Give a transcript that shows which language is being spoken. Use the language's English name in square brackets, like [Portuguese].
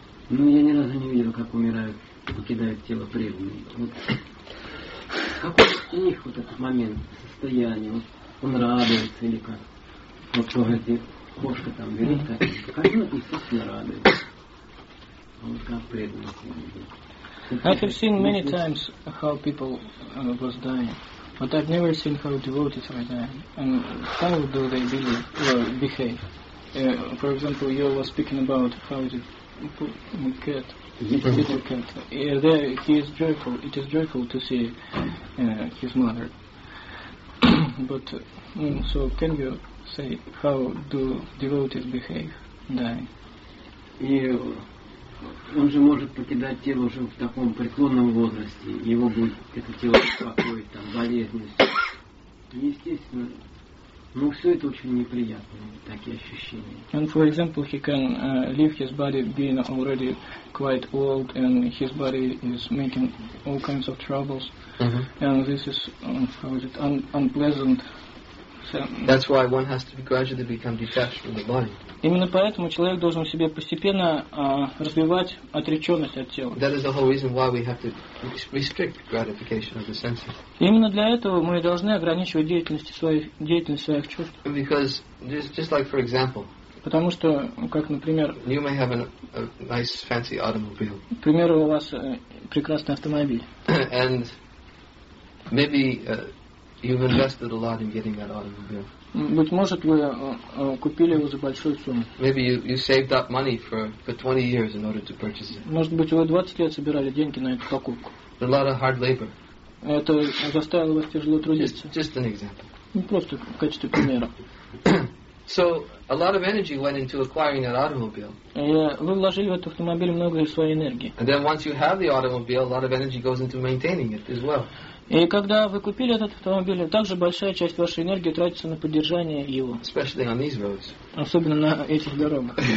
[Russian] Но я ни разу не видел, как умирают, покидают тело преданные. Вот. Какой у них вот этот момент, состояние, вот он радуется или как? Вот что эти кошка там берет, как он естественно радуется. А вот как преданные умирают. [English] I have seen many times how people was dying. But I've never seen how devotees are dying. And how do they believe or behave? For example, you were speaking about how the cat, little cat, there he is joyful. It is joyful to see his mother. But so, can you say how do devotees behave dying? [Russian] Он же может покидать тело уже в таком преклонном возрасте. Его будет это тело беспокоить, там, болезнь. Естественно. Но все это очень неприятные такие ощущения. [English] And for example, he can leave his body being already quite old and his body is making all kinds of troubles. Mm-hmm. And this is how is it unpleasant. That's why one has to gradually become detached from the body. [Russian] Именно поэтому человек должен в себе постепенно развивать отреченность от тела. [English] That is the whole reason why we have to restrict gratification of the senses. [Russian] Именно для этого мы должны ограничивать деятельность своих чувств. [English] Because just like for example. [Russian] Потому что, как, например, [English] you may have a nice fancy automobile. [Russian] К примеру, у вас прекрасный автомобиль. [English] And maybe you've invested a lot in getting that automobile. [Russian] Быть может, вы купили его за большую сумму. [English] Maybe you saved up money for 20 years in order to purchase it. [Russian] Может быть, вы 20 лет собирали деньги на эту покупку. [English] A lot of hard labor. [Russian] Это заставило вас тяжело трудиться. [English] Just an example. [Russian] Просто в качестве примера. [English] So a lot of energy went into acquiring that automobile. [Russian] Вы вложили в этот автомобиль много своей энергии. [English] And then once you have the automobile, a lot of energy goes into maintaining it as well. [Russian] И когда вы купили этот автомобиль, также большая часть вашей энергии тратится на поддержание его. [English] Especially on these roads. [Russian] Особенно на этих дорогах.